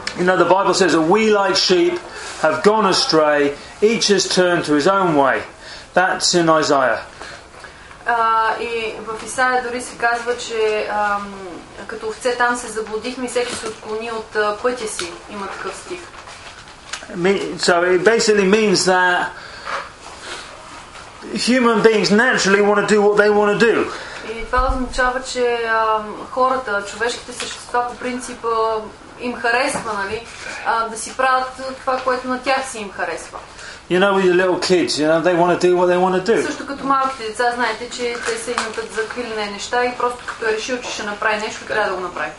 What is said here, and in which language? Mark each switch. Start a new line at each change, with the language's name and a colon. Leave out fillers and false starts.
English: You know, the Bible says that we like sheep have gone astray, each has turned to his own way. That's in Isaiah.
Bulgarian: И в Исаия дори се казва, че като овце там се заблудихме и всеки се отклони от пътя си. Има такъв стих.
English: So it basically means that human beings naturally want to do what they want to do.
Bulgarian: И това означава, че хората, човешките същества по принцип им харесва, нали, да си правят това, което на тях си им харесва.
English: You know, with your little kids, you know, they want to do what they want to do.
Bulgarian: Също като малките деца, знаете, че те се имат за квилене неща и просто като е решил, че ще направи нещо, трябва да го направи.